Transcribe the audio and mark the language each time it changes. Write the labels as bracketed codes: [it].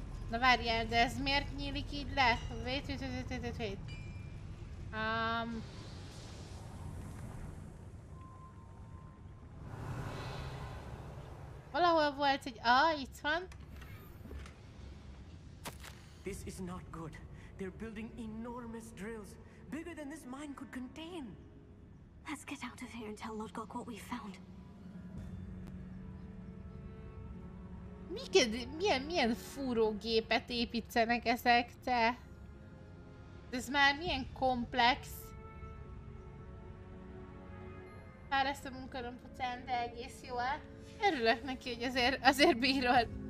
[hu] Na várjál, de ez miért nyílik így le? [en] Wait. [hu] Valahol volt egy A, itt van. [en] This is not good. They're building enormous drills, bigger than this mine could contain. Let's get out of here and tell Lodgok what we found. [hu] Milyen fúró gépet építenek ezek, te? Ez már milyen komplex. Bár ezt a munkaröm után, de egész jó el. Örülök neki, hogy azért bírod.